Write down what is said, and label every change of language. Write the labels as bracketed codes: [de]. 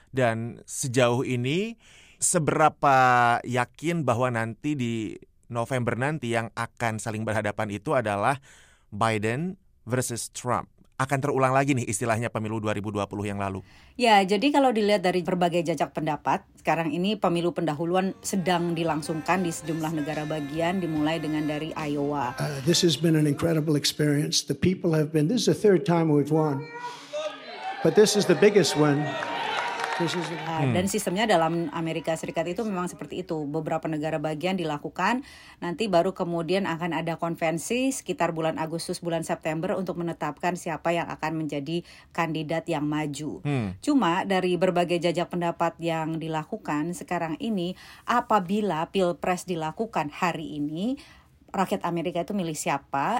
[id] Dan sejauh ini, seberapa yakin bahwa nanti di November nanti yang akan saling berhadapan itu adalah Biden versus Trump? Akan terulang lagi nih istilahnya pemilu 2020 yang lalu. Ya, jadi kalau dilihat dari berbagai jajak pendapat, sekarang ini pemilu pendahuluan sedang dilangsungkan di sejumlah negara bagian, dimulai dengan dari Iowa. [en] This has been an incredible experience. The people have been, this is the third time we've won. But this is the biggest win. [id] Dan sistemnya dalam Amerika Serikat itu memang seperti itu. Beberapa negara bagian dilakukan, nanti baru kemudian akan ada konvensi sekitar bulan Agustus, bulan September untuk menetapkan siapa yang akan menjadi kandidat yang maju. Cuma dari berbagai jajak pendapat yang dilakukan sekarang ini, apabila pilpres dilakukan hari ini, rakyat Amerika itu milih siapa?